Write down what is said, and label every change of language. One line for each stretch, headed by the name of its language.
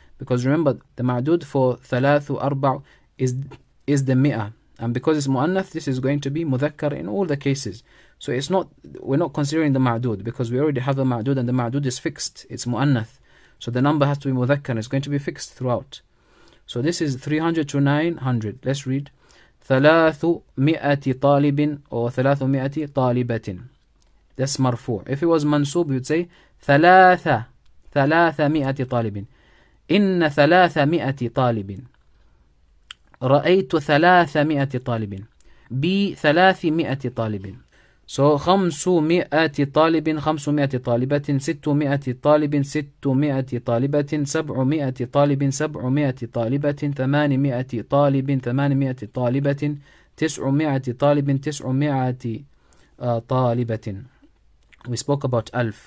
English: Because remember, the ma'dud for thalathu arba'u is the mi'a. And because it's mu'annath, this is going to be mudhakkar in all the cases. So it's not, we're not considering the ma'dud because we already have a ma'dud and the ma'dud is fixed. It's mu'annath. So the number has to be mudhakkar. It's going to be fixed throughout. So this is 300 to 900. Let's read.
Arabic: ثلاث مئة طالب أو ثلاث مئة طالبة.
English: That's مرفوع. If it was منصوب, you'd say ثلاثة ثلاث مئة طالب.
Arabic: إن ثلاث مئة طالب. رأيت ثلاث مئة طالب. بثلاث مئة طالب. So 500 طالب 500 طالبة 600 طالب 600 طالبة 700 طالب 700 طالبة 800 طالب 800 طالبة 900 طالب 900 طالبة. We spoke about 1000.